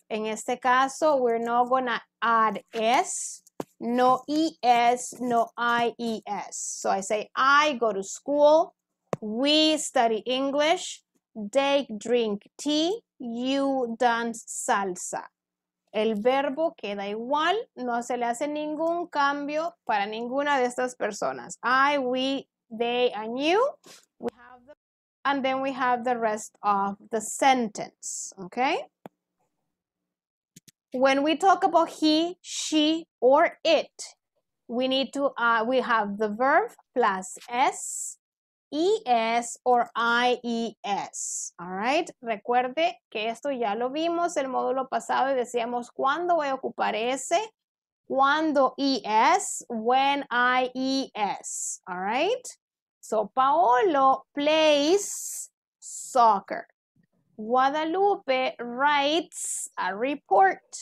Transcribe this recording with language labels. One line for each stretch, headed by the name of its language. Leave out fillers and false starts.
Spanish: En este caso,
English: we're not gonna add S, no ES, no IES. So I say, I go to school, we study English, they drink tea, you dance salsa.
Spanish: El verbo queda igual, no se le hace ningún cambio para ninguna de estas personas.
English: I, we, they, and you. We have the, and then we have the rest of the sentence, okay? When we talk about he, she, or it, we need to, we have the verb plus S, ES or IES, all right?
Spanish: Recuerde que esto ya lo vimos el módulo pasado y decíamos, ¿cuándo voy a ocupar ese? ¿Cuándo ES?
English: When IES, all right? So, Paolo plays soccer. Guadalupe writes a report.